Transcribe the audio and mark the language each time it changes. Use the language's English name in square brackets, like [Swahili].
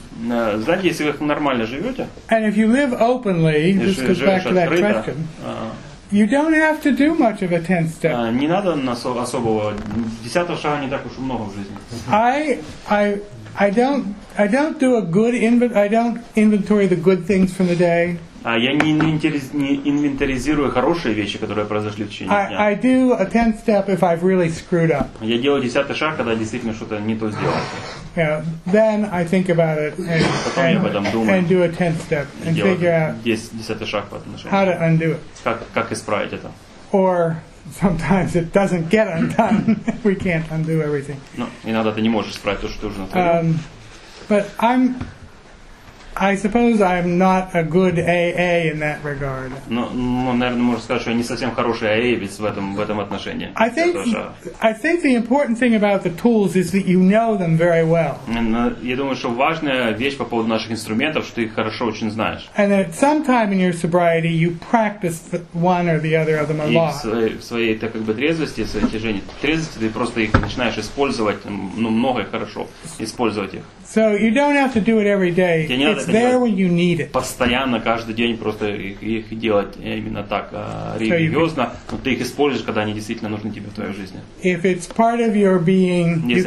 [Russian] знаете, если вы нормально живете, [English] and if you live openly, this goes back to that question, you don't have to do much of a 10th step. [Russian] Не надо особого 10-го шага, не так уж много в жизни. [English] I don't inventory the good things from the day. [Russian] Я не инвентаризирую хорошие вещи, которые произошли в течение дня. [English] I do a 10th step if I've really screwed up. [Russian] Я делаю 10-й шаг, когда действительно что-то не то сделал. [English] Yeah, then I think about it and do a 10th step and figure out [Russian] 10-й шаг по отношению. [English] How to undo it. [Russian] Как исправить это? [English] Or sometimes it doesn't get undone. We can't undo everything. [Russian] Ну, иногда ты не можешь исправить то, что уже натворил. [English] But I suppose I'm not a good AA in that regard. [Russian] Ну, наверное, можно сказать, что я не совсем хороший AA в этом отношении. [English] I think the important thing about the tools is that you know them very well. [Russian] Я думаю, что важная вещь по поводу наших инструментов, что ты их хорошо очень знаешь. [English] And at some time in your sobriety, you practice one or the other of them a lot. [Russian] И в своей так как бы трезвости, ты просто их начинаешь использовать, ну, много и хорошо использовать их. [English] So you don't have to do it every day. It's there when you need it. [Russian] Постоянно каждый день просто их делать именно так религиозно, но ты их используешь, когда они действительно нужны тебе в твоей жизни. [English] If it's part of your being, you can have.